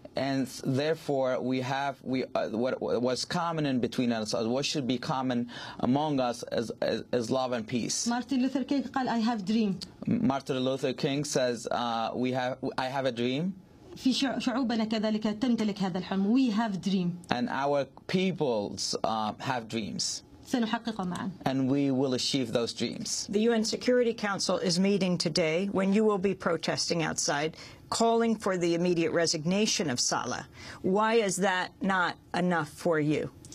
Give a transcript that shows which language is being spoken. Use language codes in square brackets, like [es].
[en] And therefore, what was common in between us, what should be common among us, is love and peace. Martin Luther King [ar] قال, [en] "I have dream." Martin Luther King says, "I have a dream." [ar] في شعوبنا كذلك تمتلك هذا الحلم. [en] We have dream. And our peoples have dreams. [ar] سنحققه معا. [en] And we will achieve those dreams. The UN Security Council is meeting today. When you will be protesting outside, calling for the immediate resignation of Saleh. Why is that not enough for you?